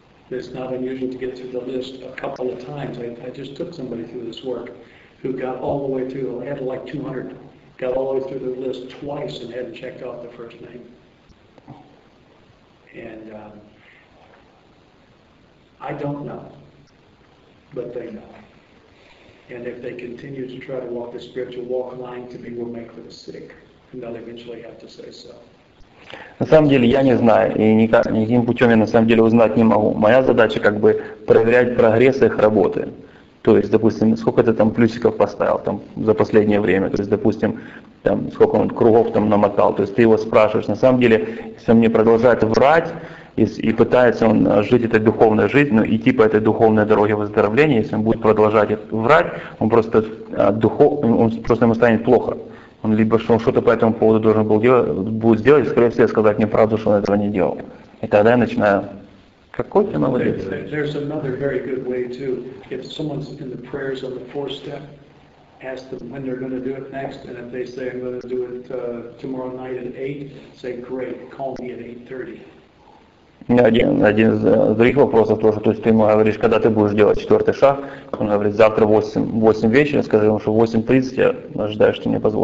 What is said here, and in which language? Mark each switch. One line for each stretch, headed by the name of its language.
English: It's not unusual to get through the list a couple of times. I just took somebody through this work who got all the way through, had like 200, got all the way through the list twice and hadn't checked off the first name. And I don't know, but they know. And if they continue to try to walk the spiritual walk, lying to me will make them sick. And they'll eventually have to say so.
Russian: На самом деле я не знаю, и никаким путем я на самом деле узнать не могу. Моя задача как бы проверять прогресс их работы. То есть, допустим, сколько ты там плюсиков поставил там, за последнее время, то есть, допустим, там, сколько он кругов там намотал, то есть ты его спрашиваешь. На самом деле, если он мне продолжает врать и пытается он жить этой духовной жизнью, идти по этой духовной дороге выздоровления, если он будет продолжать врать, он просто ему станет плохо. Он либо что он что-то по этому поводу должен был делать, будет сделать, скорее всего, сказать мне правду, что он этого не делал. И тогда я начинаю. Какой ты молодец?
English: There's another very good way too. If someone's in the prayers on the fourth step, ask them when they're going to do it next, and if they say I'm going to do it tomorrow night at 8, say great, call me at 8:30.
Russian: Один из других вопросов тоже, то есть ты ему говоришь, когда ты будешь делать четвертый шаг, он говорит, завтра 8 вечера, скажи ему, что 8:30 я ожидаю, что ты мне